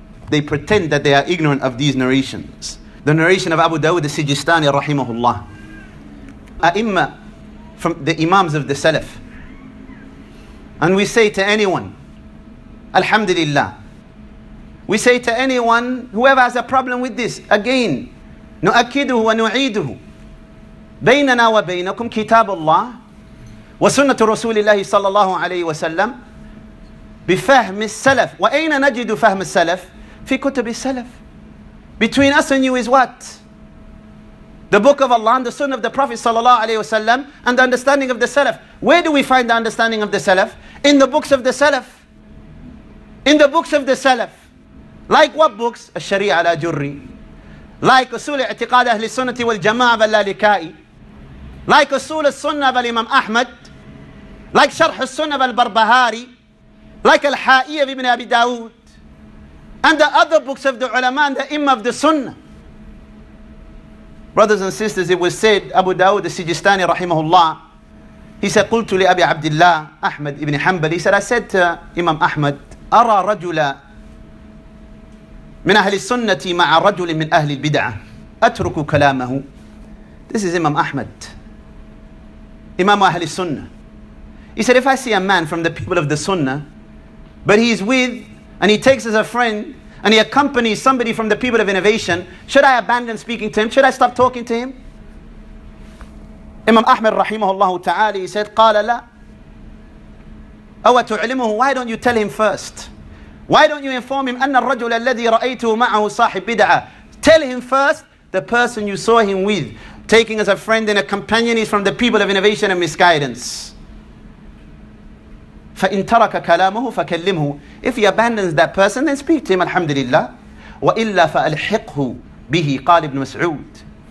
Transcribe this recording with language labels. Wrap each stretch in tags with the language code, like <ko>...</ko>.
<en>They pretend that they are ignorant of these narrations. The narration of Abu Dawud al-Sijistani rahimahullah. A'imma, from the imams of the Salaf. And we say to anyone, Alhamdulillah. We say to anyone, whoever has a problem with this, again,</en> <ar>نؤكده ونعيده. بيننا وبينكم كتاب الله وسنة رسول الله صلى الله عليه وسلم بفهم السلف. وأين نجد فهم السلف؟ في كتب السلف.</ar> <en>Between us and you is what? The book of Allah and the sunnah of the Prophet صلى الله عليه وسلم and the understanding of the Salaf. Where do we find the understanding of the Salaf? In the books of the Salaf. In the books of the Salaf. Like what books? الشريعة لا جري. Like أصول اعتقاد أهل السنة والجماعة واللالكائي. Like أصول السنة والإمام أحمد. Like شرح السنة والبربهاري. Like Al-Ha'iyya ibn Abi Dawood and the other books of the ulama and the imam of the sunnah. Brothers and sisters, it was said, Abu Dawood al-Sijistani rahimahullah, he said,</en> <ar>قلت لأبي عبد الله أحمد</ar> <en>ibn Hanbal, he said, I said to Imam Ahmad,</en> <ar>أرى رجلا من أهل السنة مع رجل من أهل البدعة أترك كلامه.</ar> <en>This is Imam Ahmad, Imam أهل السنة. He said, if I see a man from the people of the sunnah, but he's with, and he takes as a friend, and he accompanies somebody from the people of innovation, should I abandon speaking to him? Should I stop talking to him? Imam Ahmad rahimahullah ta'ala, he said,</en> <ar>قَالَ لَا أَوَ تُعْلِمُهُ.</ar> <en>Why don't you tell him first? Why don't you inform him,</en> <ar>أَنَّ الرَّجُلَ الَّذِي رَأَيْتُهُ مَعَهُ صَاحِبْ بِدْعَةً.</ar> <en>Tell him first, the person you saw him with, taking as a friend and a companion is from the people of innovation and misguidance.</en> <ar>فَإِنْ تَرَكَ كَلَامُهُ فَكَلِّمْهُ.</ar> <en>If he abandons that person, then speak to him, alhamdulillah.</en> <ar>وَإِلَّا فَأَلْحِقْهُ بِهِ قَالِ ابْنُ مَسْعُودٍ.</ar>